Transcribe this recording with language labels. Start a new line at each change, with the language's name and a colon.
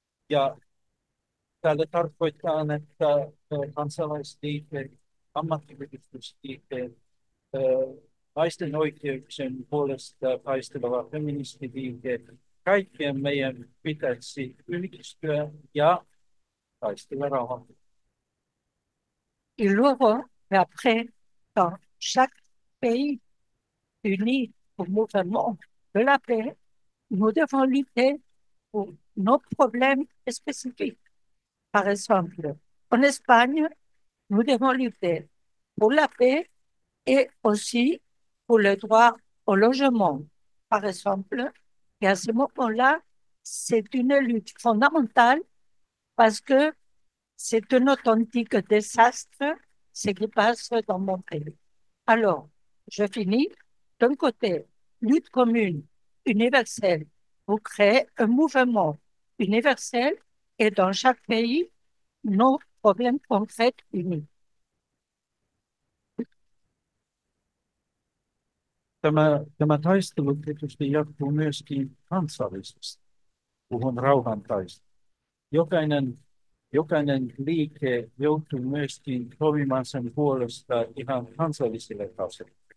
Finnish: Ja tällä tarkoittaa, että kansalaisliike, ammattiyhdistysliike, naisten oikeuksien puolesta taisteleva feministiliike, kaikkien meidän pitäisi yhdistyä ja taistella rauhan.
French: Et luego, après, dans chaque pays uni au mouvement de la paix, nous devons lutter pour nos problèmes spécifiques. Par exemple, en Espagne, nous devons lutter pour la paix et aussi pour le droit au logement. Par exemple, et à ce moment-là, c'est une lutte fondamentale parce que c'est un authentique désastre ce qui passe dans mon pays. Alors, je finis. D'un côté, lutte commune, universelle, pour créer un mouvement universel et dans chaque pays, nos problèmes concrets unis.
Finnish: Tämä taistelu tietysti jatkuu myöskin kansallisesti, puhun rauhan taistelu. Jokainen liike joutuu myöskin toimimaan sen puolesta ihan kansallisille tasolle.